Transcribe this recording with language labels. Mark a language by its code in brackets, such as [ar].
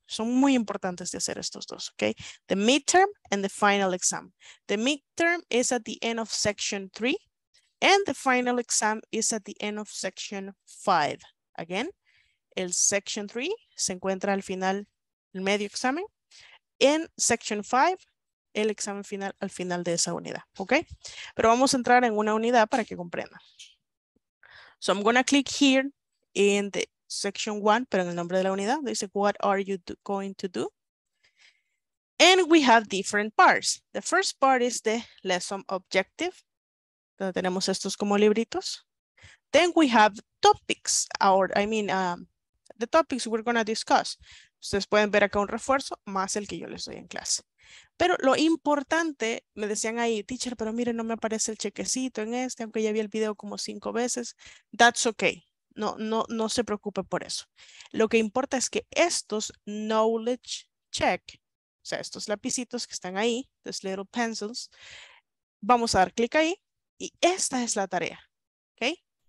[es] Son muy importantes de hacer estos dos, okay? [en] The midterm and the final exam. The midterm is at the end of section 3 and the final exam is at the end of section 5. Again, [es] el section 3 se encuentra al final, el medio examen. En section 5, el examen final al final de esa unidad. ¿Ok? Pero vamos a entrar en una unidad para que comprendan. [en] So I'm going to click here in the section 1, [es] pero en el nombre de la unidad. [en] Dice, what are you going to do? And we have different parts. The first part is the lesson objective. [es] Donde tenemos estos como libritos. [en] Then we have topics, or I mean, the topics we're going to discuss. [es] Ustedes pueden ver acá un refuerzo, más el que yo les doy en clase. Pero lo importante, me decían ahí, teacher, pero mire, no me aparece el chequecito en este, aunque ya vi el video como 5 veces. [en] That's okay. [es] No se preocupe por eso. Lo que importa es que estos knowledge check, o sea, estos lapicitos que están ahí, [en] these little pencils, [es] vamos a dar clic ahí, y esta es la tarea. Okay?